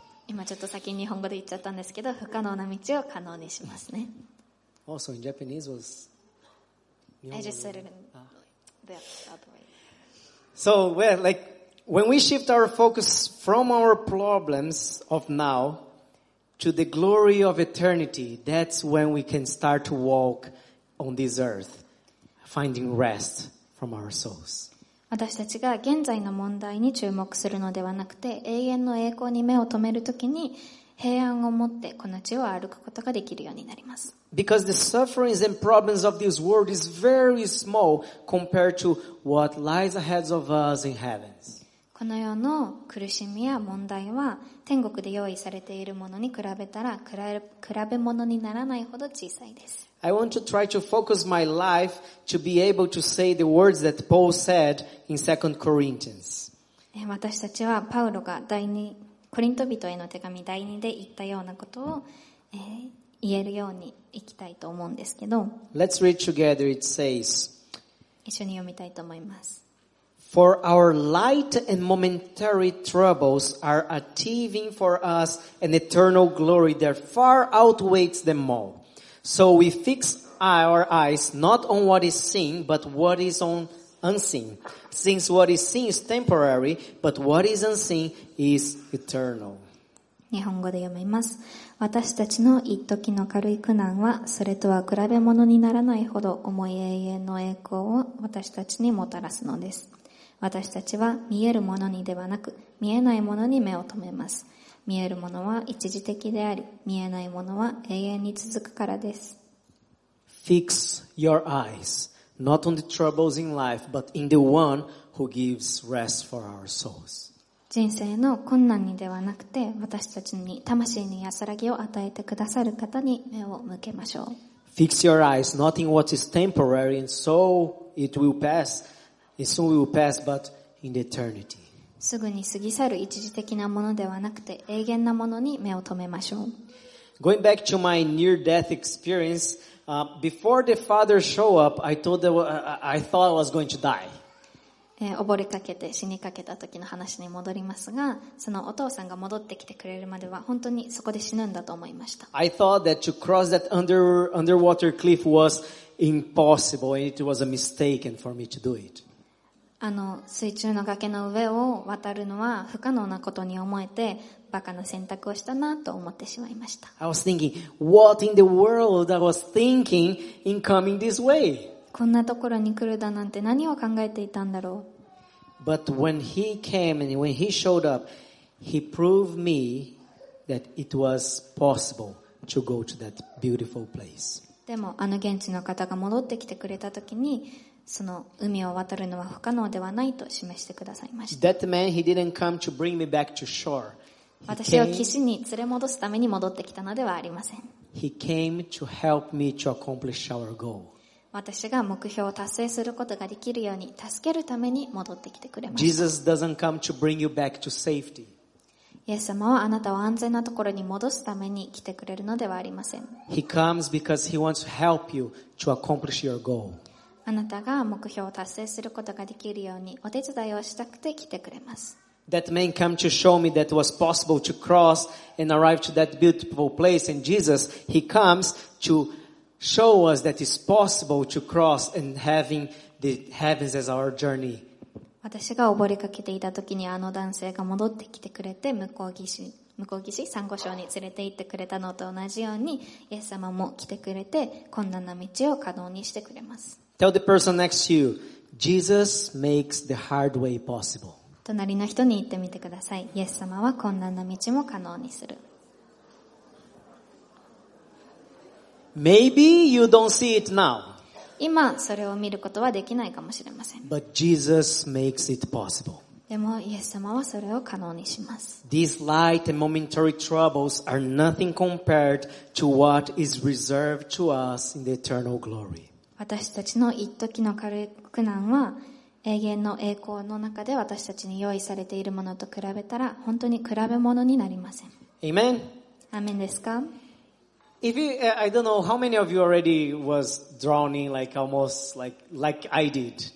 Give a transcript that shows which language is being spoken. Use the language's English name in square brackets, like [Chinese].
[Japanese] 今ちょっと先に日本語で言っちゃったんですけど不可能な道を可能にしますね。 [English] Also in Japanese was. I just said it in the other way. So well like. When we shift our focus from our problems of now to the glory of eternity, that's when we can start to walk on this earth finding rest from our souls. [Japanese] 私たちが現在の問題に注目するのではなくて、永遠の栄光に目を留めるときに平安を持ってこの地を歩くことができるようになります。 [English] Because the sufferings and problems of this world is very small compared to what lies ahead of us in heaven. [Japanese] この世の苦しみや問題は天国で用意されているものに比べたら比べ物にならないほど小さいです。 [English] I want to try to focus my life to be able to say the words that Paul said in 2 Corinthians. [Japanese] 私たちはパウロが第二コリント人への手紙第二で言ったようなことを、言えるようにいきたいと思うんですけど。 [English] Let's read together. It says. [Japanese] 一緒に読みたいと思います。 [English] For our light and momentary troubles are achieving for us an eternal glory that far outweighs them all. So we fix our eyes not on what is seen, but what is unseen. Since what is seen is temporary, but what is unseen is eternal. [Japanese] 日本語で読みます。私たちの一時の軽い苦難は、それとは比べ物にならないほど重い永遠の栄光を私たちにもたらすのです。私たちは見えるものにではなく、見えないものに目を留めます。見えるものは一時的であり、見えないものは永遠に続くからです。 [English] Fix your eyes, not on the troubles in life, but in the one who gives rest for our souls. [Japanese] 人生の困難にではなくて、私たちに魂に安らぎを与えてくださる方に目を向けましょう。 [English] Fix your eyes, not in what is temporary, and so it will pass, it soon will pass, but in the eternity. [Japanese] すぐに過ぎ去る一時的なものではなくて永遠なものに目を留めましょう。 [English] Going back to my near-death experience, before the father showed up, I thought I was going to die. [Japanese] 溺れかけて死にかけた時の話に戻りますが、そのお父さんが戻ってきてくれるまでは本当にそこで死ぬんだと思いました。 [English] I thought that to cross that underwater cliff was impossible and it was a mistake for me to do it. [Japanese] あの水中の崖の上を渡るのは不可能なことに思えてバカな選択をしたなと思ってしまいました。 [English] I was thinking, what in the world I was thinking in coming this way? [Japanese] こんなところに来るだなんて何を考えていたんだろう。 [English] But when he came and when he showed up, he proved me that it was possible to go to that beautiful place. [Japanese] でもあの現地の方が戻ってきてくれた時にその海を渡るのは不可能ではないと示してくださいました。 [English] That man, he didn't come to bring me back to shore. [Japanese] 私を岸に連れ戻すために戻ってきたのではありません。 [English] He came to help me to accomplish our goal. [Japanese] 私が目標を達成することができるように助けるために戻ってきてくれました。 [English] Jesus doesn't come to bring you back to safety. [Japanese] イエス様はあなたを安全なところに戻すために来てくれるのではありません。 [English] He comes because he wants to help you to accomplish your goal. [Japanese] あなたが目標を達成することができるようにお手伝いをしたくて来てくれます。 [English] That man came to show me that it was possible to cross and arrive to that beautiful place. And Jesus, he comes to show us that it's possible to cross and having the heavens as our journey. [Japanese] 私が溺れかけていた時にあの男性が戻ってきてくれて向こう岸サンゴ礁に連れて行ってくれたのと同じように、イエス様も来てくれて困難な道を可能にしてくれます。 [English] Tell the person next to you, Jesus makes the hard way possible. [Japanese] 隣の人に言ってみてください。イエス様は困難な道も可能にする。 [English] Maybe you don't see it now. [Japanese] 今それを見ることはできないかもしれません。 [English] But Jesus makes it possible. [Japanese] でもイエス様はそれを可能にします。 [English] These light and momentary troubles are nothing compared to what is reserved to us in the eternal glory. [Japanese] 私たちの一時の軽い苦難は永遠の栄光の中で私たちに用意されているものと比べたら本当に比べ物になりません。 [English] Amen. [Japanese] アーメンですか。 [English] If you, I don't know how many of you already was drowning like almost like I did.